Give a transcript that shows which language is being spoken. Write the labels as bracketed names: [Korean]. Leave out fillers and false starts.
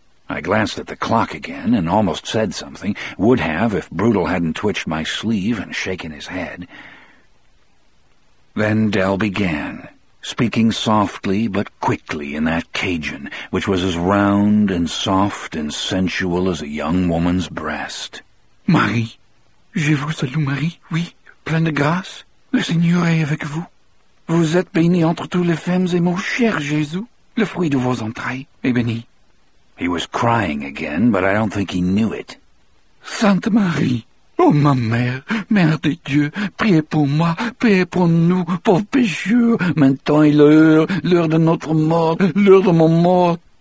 [English] I glanced at the clock again and almost said something, would have if Brutal hadn't twitched my sleeve and shaken his head. Then Dell began, speaking softly but quickly in that Cajun, which was as round and soft and sensual as a young woman's breast. [French] "Marie, je vous salue, Marie, oui, plein de grâce. Le Seigneur est avec vous. Vous êtes bénie entre toutes les femmes, et mon cher Jésus, le fruit de vos entrailles, est béni." [English] He was crying again, but I don't think he knew it. [French] "Sainte Marie, oh, ma mère, mère de Dieu, priez pour moi, priez pour nous, pauvres pécheurs. Maintenant est l'heure de notre mort, l'heure de mon mort."